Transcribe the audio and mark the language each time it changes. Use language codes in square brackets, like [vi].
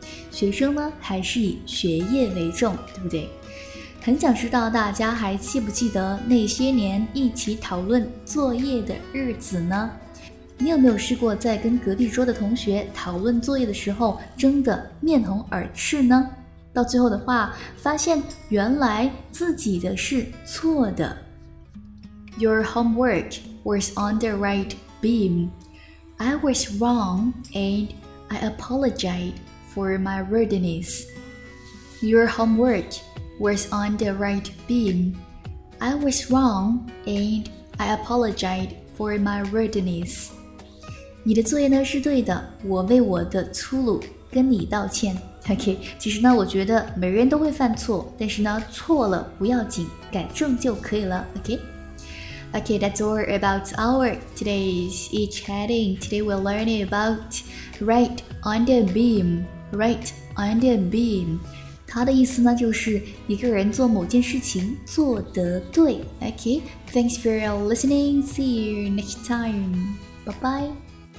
[zh] 学生呢，还是以学业为重，对不对？很想知道大家还记不记得那些年一起讨论作业的日子呢？你有没有试过在跟隔壁桌的同学讨论作业的时候争得面红耳赤呢？到最后的话，发现原来自己的是错的。 [en] Your homework was on the right beam. I was wrong and I apologize for my rudeness. Your homework was on the right beam. I was wrong and I apologize for my rudeness. [zh] 你的作业呢是对的，我为我的粗鲁跟你道歉。 OK， 其实呢，我觉得每个人都会犯错，但是呢，错了不要紧，改正就可以了。 [en] OK, that's all about our today's e-chatting. Today we're learning about right on the beam. Right on the beam. [zh] 它的意思呢，就是一个人做某件事情做得对。 [en] OK, thanks for your listening. See you next time. Bye bye.